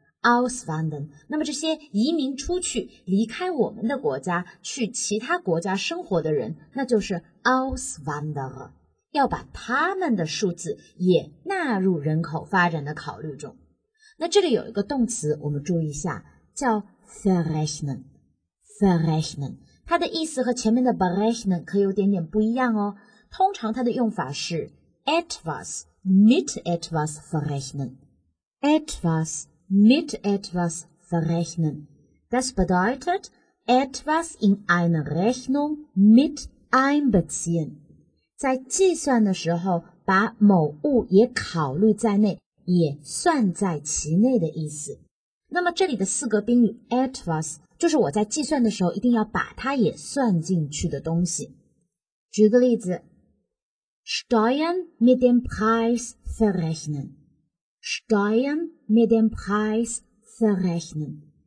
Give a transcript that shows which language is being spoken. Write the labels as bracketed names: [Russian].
[Chinese] 那么这些移民出去离开我们的国家去其他国家生活的人，那就是 Auswanderer，要把他们的数字也纳入人口发展的考虑中。那这里有一个动词我们注意一下，叫 verrechnen， 它的意思和前面的 berechnen 可有点点不一样哦。通常它的用法是 [German] etwas mit etwas verrechnen， etwas mit etwas verrechnen， das bedeutet etwas in eine Rechnung mit einbeziehen， [Chinese] 在计算的时候把某物也考虑在内，也算在其内的意思。那么这里的四个宾语 etwas 就是我在计算的时候一定要把它也算进去的东西。举个例子， [German] Steuern mit dem Preis verrechnen， [Chinese] Steuern mit dem Preis verrechnen。